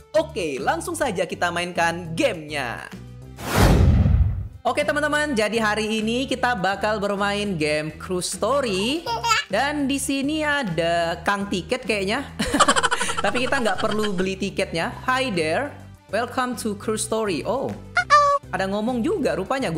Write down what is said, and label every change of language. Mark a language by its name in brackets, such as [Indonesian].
[Indonesian] Oke, langsung saja kita mainkan gamenya. Oke teman-teman, jadi hari ini kita bakal bermain game Crew Story. Dan di sini ada Kang Tiket kayaknya. Tapi kita nggak perlu beli tiketnya. [English] Hi there, welcome to Crew Story. [Indonesian] Oh, ada ngomong juga rupanya.